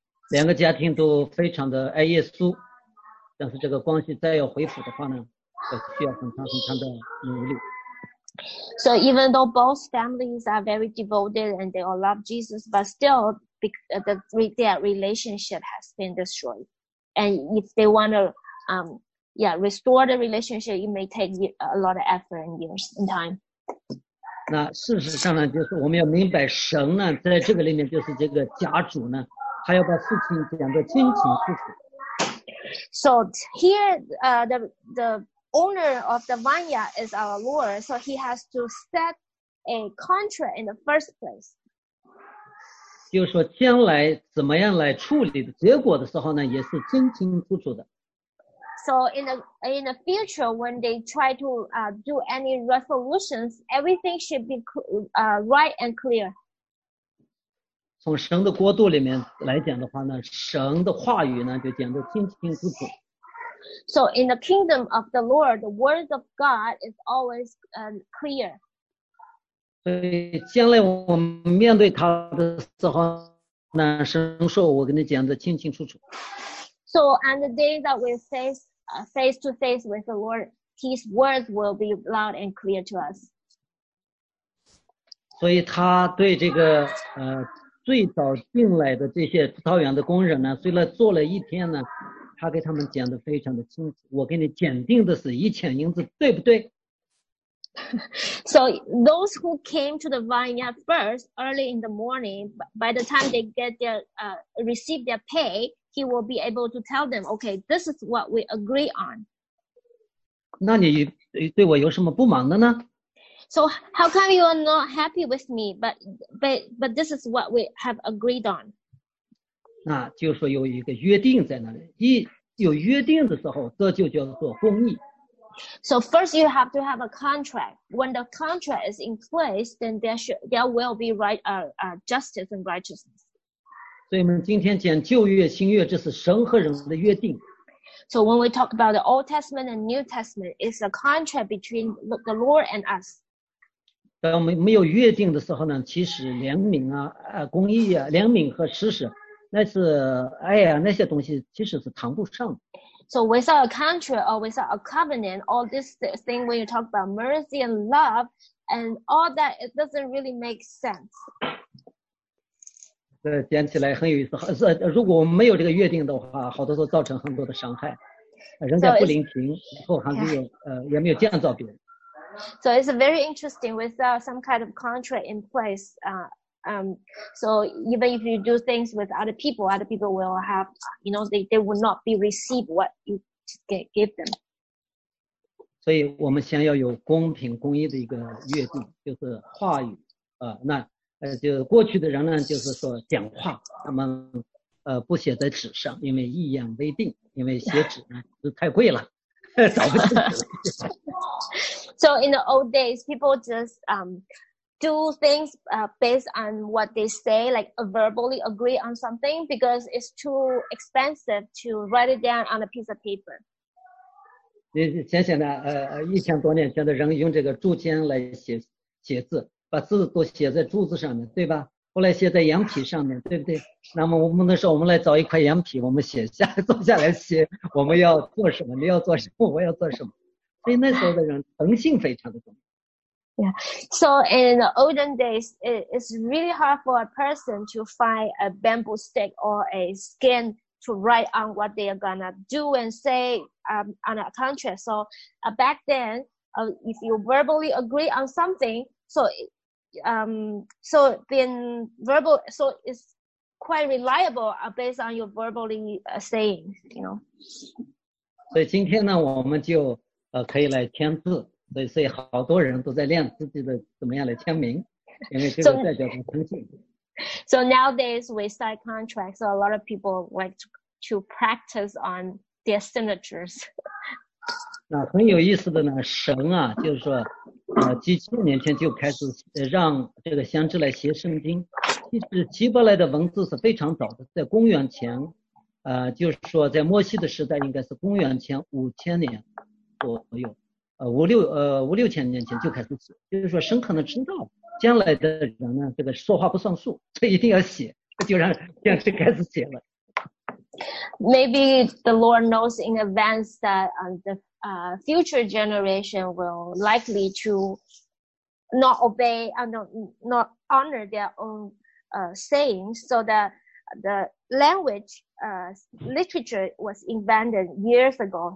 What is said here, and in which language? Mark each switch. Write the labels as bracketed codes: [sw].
[zh] 两个家庭都非常的爱耶稣，但是这个关系再要恢复的话呢，需要很长很长的努力。 [en] So even though both families are very devoted and they all love Jesus, but still their relationship has been destroyed. And if they want to restore the relationship, it may take a lot of effort and years and time. [zh] 那事实上呢，就是我们要明白神呢，在这个里面就是这个家主呢，他要把事情讲得清清楚楚。 [en] So here, the owner of the vineyard is our Lord, so he has to set a contract in the first place. [zh] 就是说将来怎么样来处理的结果的时候呢，也是清清楚楚的。 [en] So in the future, when they try to do any resolutions, everything should be right and clear. [zh] 从神的国度里面来讲的话呢，神的话语呢就讲得清清楚楚。 [en] So in the kingdom of the Lord, the word of God is always clear. [zh] 所以将来我们面对他的时候呢，神说我跟你讲得清清楚楚。 [en] So on the day that we face to face with the Lord, his words will be loud and clear to us. [zh] 所以他对这个最早进来的这些葡萄园的工人呢，虽然做了一天呢，他给他们讲得非常的清楚，我给你鉴定的是一千银子，对不对？ [en] So those who came to the vineyard first early in the morning, by the time they get their receive their pay, he will be able to tell them, okay, this is what we agree on. [zh] 那你对我有什么不满的呢？ [en] So how come you are not happy with me, but this is what we have agreed on. [zh] 那就是说有一个约定在那里，一有约定的时候，这就叫做公义。 [en] So first you have to have a contract. When the contract is in place, then there will be justice and righteousness. [zh] 所以我们今天讲旧约、新约，这是神和人的约定。 [en] So when we talk about the Old Testament and New Testament, it's a contract between the Lord and us. [zh] 当我们没有约定的时候呢，其实怜悯啊、公义啊、怜悯和施舍。那是哎呀，那些东西其实是谈不上。 [en] So without a contract or without a covenant, all this thing when you talk about mercy and love and all that, it doesn't really make sense. [zh] 这讲起来很有意思。如果我们没有这个约定的话，好多时候造成很多的伤害，人家不聆听，然后还没有也没有建造别人。 [en] So it's very interesting without some kind of contract in place. So even if you do things with other people will have, you know, they will not be receive what you give them. [zh] 所以我们先要有公平公义的一个约定，就是话语，就过去的人呢，就是说讲话，他们不写在纸上，因为一言为定，因为写纸呢是太贵了，找不到纸了。 [en] So in the old days, people just do things based on what they say, like verbally agree on something, because it's too expensive to write it down on a piece of paper. [zh] 想想呢，一千多年前的人用这个竹签来写字，把字都写在竹子上面，对吧？后来写在羊皮上面，对不对？那么我们的时候，我们来找一块羊皮，我们写下，坐下来写，我们要做什么？你要做什么？我要做什么？所以那时候的人诚信非常的重要。 [en] Yeah. So in the olden days, it's really hard for a person to find a bamboo stick or a skin to write on what they are gonna do and say on a contract. So back then, if you verbally agree on something, so it's quite reliable based on your verbally saying, you know. [zh] 所以今天呢，我们就可以来签字。所以好多人都在练自己的怎么样的签名，因为这个代表着诚信。 [en] So nowadays we sign contracts, so a lot of people like to practice on their signatures. [zh] 那很有意思的呢，神啊，就是说，几千年前就开始让这个先知来写圣经。其实希伯来的文字是非常早的，在公元前，就是说在摩西的时代，应该是公元前五千年左右，五六千年前就开始写。就是说神可能知道将来的人呢，这个说话不算数，这一定要写，就让先知开始写了。 [en] Maybe the Lord knows in advance that future generation will likely to not obey and not honor their own saying, so that the language literature was invented years ago.